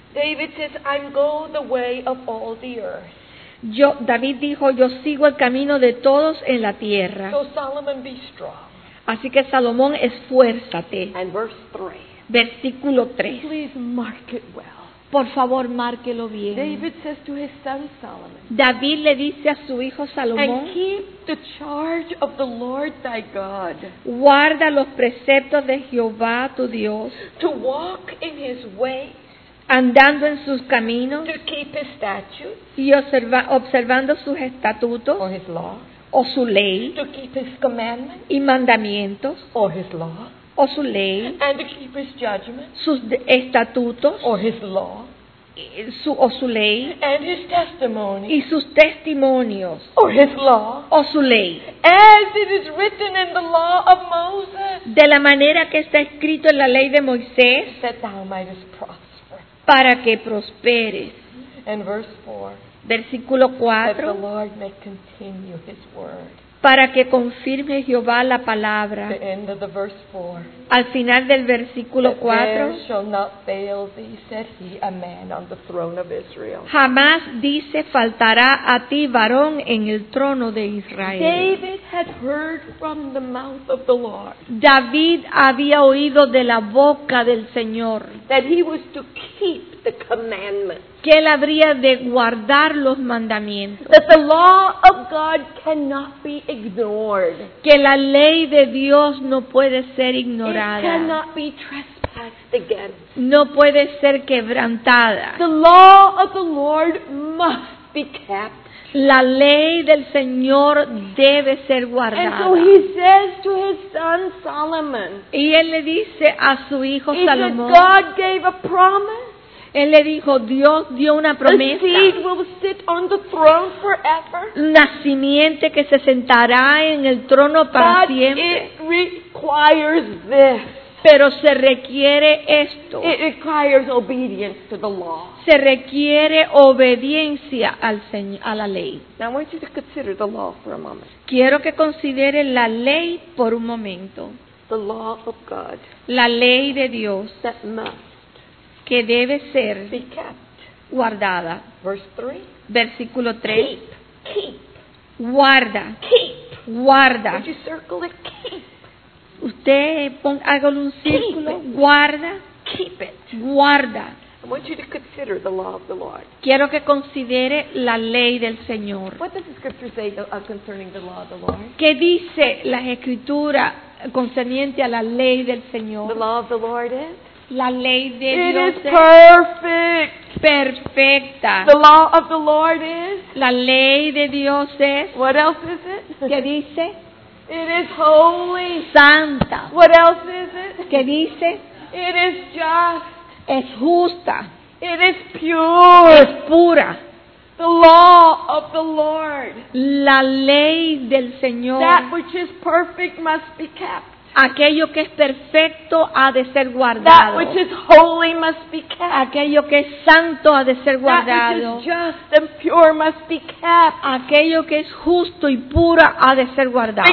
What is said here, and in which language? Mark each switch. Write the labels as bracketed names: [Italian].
[English] David says, I'm go the way of all the earth. [Spanish] David dijo, yo sigo el camino de todos en la tierra. [English] So Solomon, be strong. [Spanish] Así que Salomón, esfuérzate. [English] And verse 3. [Spanish] Versículo 3. [English] Please mark it well. [Spanish] Por favor, márquelo bien. [English] David says to his son Solomon. [Spanish] David le dice a su hijo Salomón. [English] And keep the charge of the Lord thy God. [Spanish] Guarda los preceptos de Jehová tu Dios. [English] To walk in his ways. [Spanish] Andando en sus caminos, [English] to keep his statutes, [Spanish] y observando sus estatutos, [English] or his law, [Spanish] o su ley, [English] to keep his commandments, [Spanish] y mandamientos, [English] or his law, [Spanish] o su ley, [English] and to keep his judgments, [Spanish] sus estatutos, [English] or his law, [Spanish] o su ley, [English] and his testimony, [Spanish] y sus testimonios, [English] or his law, [Spanish] o su ley, [English] as it is written in the law of Moses, [Spanish] de la manera que está escrito en la ley de Moisés, [English] that thou mightest prosper. [Spanish] Para que prosperes. [English] And verse 4. [Spanish] Versículo 4. [English] That the Lord may continue his word. [Spanish] Para que confirme Jehová la palabra. [English] The end of the verse 4. [Spanish] Al final del versículo 4. [English] That there shall not fail thee, said he, a man on the throne of Israel. [Spanish] Jamás, dice, faltará a ti varón en el trono de Israel. [English] David had heard from the mouth of the Lord. [Spanish] David había oído de la boca del Señor. [English] That he was to keep the commandments. [Spanish] Que él habría de guardar los mandamientos. [English] That the law of God cannot be ignored. [Spanish] Que la ley de Dios no puede ser ignorada. [English] It cannot be trespassed against. [Spanish] No puede ser quebrantada. [English] The law of the Lord must be kept. [Spanish] La ley del Señor debe ser guardada. [English] And so he says to his son Solomon. [Spanish] Y él le dice a su hijo Salomón. [English] God gave a promise. [Spanish] Él le dijo, Dios dio una promesa. [English] A seed will sit on the throne forever. [Spanish] Una simiente que se sentará en el trono para [English] But [Spanish] siempre. [English] It requires this. [Spanish] Pero se requiere esto. [English] It requires obedience to the law. [Spanish] Se requiere obediencia al Señor, a la ley. [English] Now I want you to consider the law for a moment. [Spanish] Quiero que considere la ley por un momento. [English] The law of God. [Spanish] La ley de Dios. [English] That must. [Spanish] Que debe ser [English] be kept. [Spanish] Guardada. [English] Verse 3. [Spanish] Versículo 3. [English] Keep. [Spanish] Guarda. [English] Keep. [Spanish] Guarda. [English] Would you circle it? Keep. [Spanish] Usted haga un círculo. [English] Keep. [Spanish] Guarda. [English] Keep it. [Spanish] Guarda. [English] I want you to consider the law of the Lord. [Spanish] Quiero que considere la ley del Señor. [English] What does the scripture say concerning the law of the Lord? [Spanish] ¿Qué dice la escritura concerniente a la ley del Señor? [English] The law of the Lord is? [Spanish] La ley de [English] it [Spanish] Dios [English] is perfect. [Spanish] Perfecta. [English] The law of the Lord is. [Spanish] La ley de Dios es. [English] What else is it? [Spanish] ¿Qué dice? [English] It is holy. [Spanish] Santa. [English] What else is it? [Spanish] ¿Qué dice? [English] It is just. [Spanish] Es justa. [English] It is pure. [Spanish] Es pura. [English] The law of the Lord. [Spanish] La ley del Señor. [English] That which is perfect must be kept. [Spanish] Aquello que es perfecto ha de ser guardado. [English] That which is holy must be kept. [Spanish] Aquello que es santo ha de ser guardado. [English] That which is just and pure must be kept. [Spanish] Aquello que es justo y puro ha de ser guardado.